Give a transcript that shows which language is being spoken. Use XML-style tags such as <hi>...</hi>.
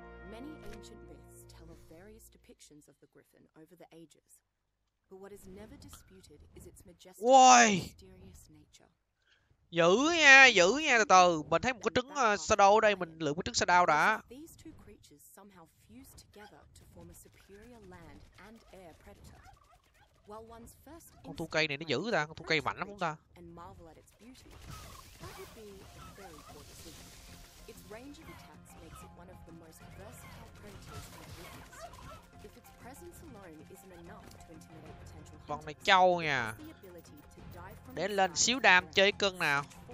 <en>Many ancient myths tell of various depictions of the griffin over the ages. But what is never disputed is its majestic and Uầy. mysterious nature.</en> <vi>Dữ nha, từ từ. Mình thấy một cái trứng Shadow ở đây, mình lượm cái trứng Shadow đã.</vi> <en>These two creatures somehow fuse together to form a superior land and air predator. While one's first</en> <vi>Con thu cây này nó dữ ta, con thu cây mạnh lắm không ta?</vi> <en>And marvel at its beauty. That would be a very poor decision. Its range of attacks makes it one of the most versatile predators in the wilderness. If its presence alone isn't enough to intimidate potential</en> <vi>hunters, con này trâu nha. Để lên xíu đam chơi cưng nào.</vi>